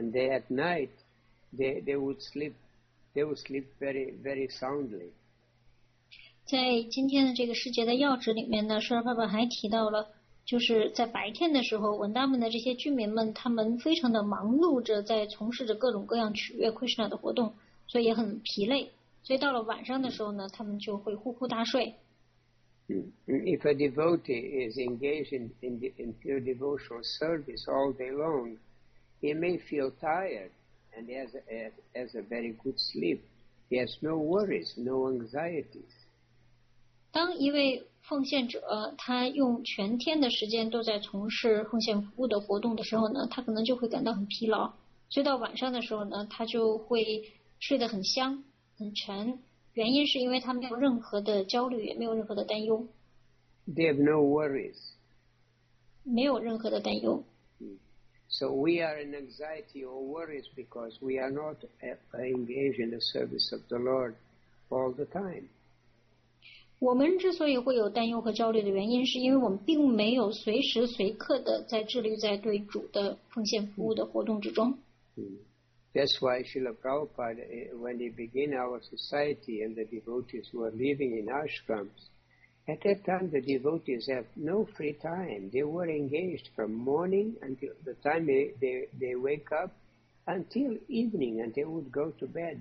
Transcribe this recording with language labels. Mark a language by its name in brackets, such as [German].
[English] And they at night, they would sleep very, very soundly. [Chinese] 在今天的这个世界的要旨里面呢，舍尔爸爸还提到了，就是在白天的时候，文达们的这些居民们，他们非常的忙碌着，在从事着各种各样取悦 Krishna 的活动，所以也很疲累。所以到了晚上的时候呢，他们就会呼呼大睡。 [English] If a devotee is engaged in pure devotional service all day long, he may feel tired and has a very good sleep. He has no worries, no anxieties. [Chinese] 当一位奉献者他用全天的时间都在从事奉献服务的活动的时候呢，他可能就会感到很疲劳，所以到晚上的时候呢，他就会睡得很香很沉，原因是因为他没有任何的焦虑，也没有任何的担忧。 [English] They have no worries， [Chinese] 没有任何的担忧。 [English] So we are in anxiety or worries because we are not engaged in the service of the Lord all the time。 [Chinese] 我们之所以会有担忧和焦虑的原因，是因为我们并没有随时随刻的在致力在对主的奉献服务的活动之中。 [English] That's why Srila Prabhupada, when he began our society and the devotees who are living in ashrams, at that time the devotees have no free time. They were engaged from morning until the time they wake up until evening and they would go to bed.